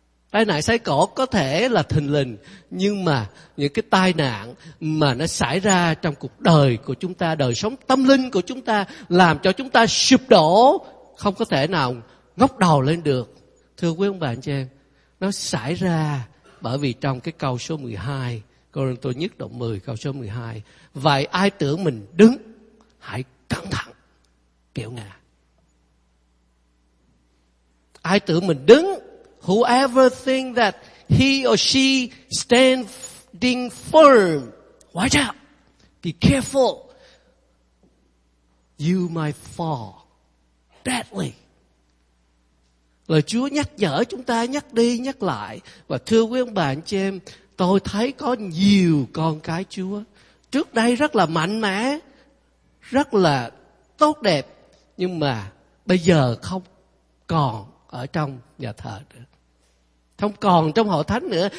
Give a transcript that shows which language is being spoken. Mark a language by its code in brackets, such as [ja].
[vi] Tai nạn xe cộ có thể là thình lình, nhưng mà những cái tai nạn mà nó xảy ra trong cuộc đời của chúng ta, đời sống tâm linh của chúng ta, làm cho chúng ta sụp đổ, không có thể nào ngóc đầu lên được. Thưa quý ông bà anh chị em, nó xảy ra bởi vì trong cái câu số 12, Cô-rinh-tô nhất đoạn 10 câu số 12, vậy ai tưởng mình đứng, hãy cẩn thận kẻo ngã. Ai tưởng mình đứng, [en] whoever think that he or she standing firm, watch out, be careful, you might fall deadly. [vi] Lời Chúa nhắc nhở chúng ta, nhắc đi nhắc lại. Và thưa quý ông bà anh chị em, tôi thấy có nhiều con cái Chúa trước đây rất là mạnh mẽ, rất là tốt đẹp, nhưng mà bây giờ không còn ở trong nhà thờ nữa, không còn trong hội thánh nữa.